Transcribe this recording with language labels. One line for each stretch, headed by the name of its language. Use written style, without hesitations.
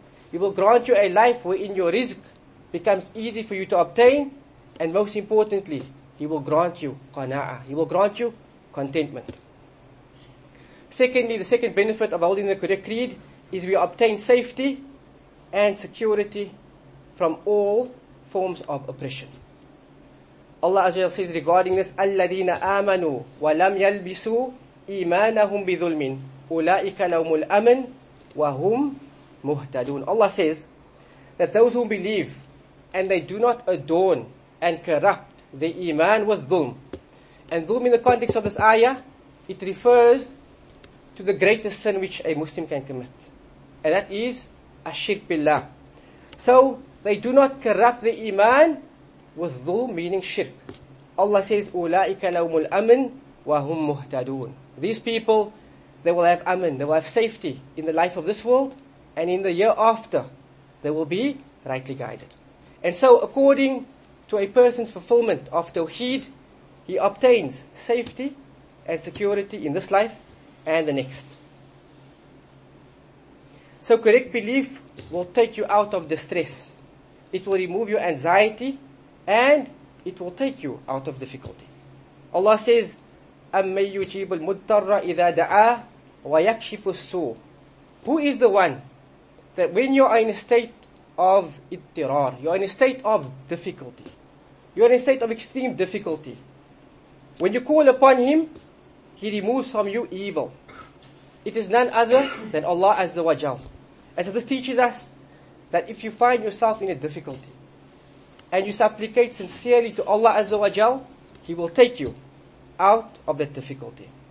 English: He will grant you a life wherein your rizq becomes easy for you to obtain, and most importantly, He will grant you qana'ah. He will grant you contentment. Secondly, the second benefit of holding the correct creed is we obtain safety and security from all forms of oppression.
Arabic: Allah Azza wa Jalla says regarding this, الَّذِينَ آمَنُوا وَلَمْ يَلْبِسُوا إِيمَانَهُمْ بِذُلْمٍ أُولَٰئِكَ لَهُمُ الْأَمْنُ وَهُمْ مُهْتَدُونَ.
English: Allah says that those who believe and they do not adorn and corrupt the iman with dhulm. And dhulm in the context of this ayah, it refers to the greatest sin which a Muslim can commit. And that is ashirk billah. So they do not corrupt the iman with dhulm, meaning shirk.
Arabic: Allah says, أُولَٰئِكَ لَهُمُ الْأَمْنُ وَهُمْ مُهْتَدُونَ.
English: These people, they will have amn, they will have safety in the life of this world, and in the year after, they will be rightly guided. And so, according to a person's fulfillment of tawheed, he obtains safety and security in this life and the next. So, correct belief will take you out of distress. It will remove your anxiety, and it will take you out of difficulty.
Arabic: Allah says, أَمَّنْ يُجِيبُ الْمُضْطَرَّ إِذَا دَعَاهُ وَيَكْشِفُ السُّوءَ.
English: Who is the one that when you are in a state of اضطرار, you are in a state of difficulty, you are in a state of extreme difficulty, when you call upon Him, He removes from you evil. It is none other than Allah Azza wa Jal. And so this teaches us that if you find yourself in a difficulty and you supplicate sincerely to Allah Azza wa Jal, He will take you out of that difficulty.